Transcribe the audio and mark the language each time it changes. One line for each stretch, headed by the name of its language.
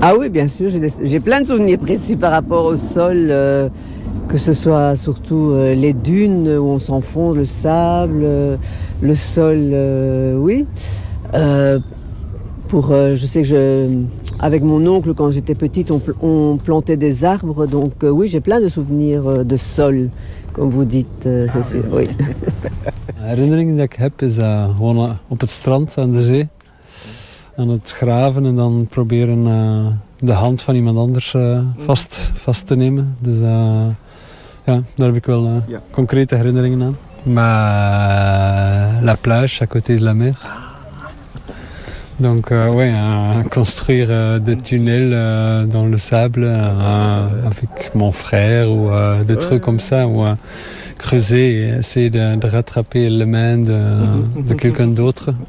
French: Ah oui, bien sûr, j'ai plein de souvenirs précis par rapport au sol, que ce soit surtout les dunes où on s'enfonce, le sable, le sol, oui. Je sais que je, avec mon oncle, quand j'étais petite, on plantait des arbres. Donc oui, j'ai plein de souvenirs de sol, comme vous dites, c'est sûr. Oui.
Dutch: Herinnering die ik heb is gewoon op het strand aan de zee, aan het graven en dan proberen de hand van iemand anders vast te nemen. Dus ja, daar heb ik wel concrete herinneringen aan. Maar
French: la plage à côté de la mer. Donc oui, construire des tunnels dans le sable avec mon frère ou des trucs comme ça, ou creuser et essayer de rattraper les mains de quelqu'un d'autre.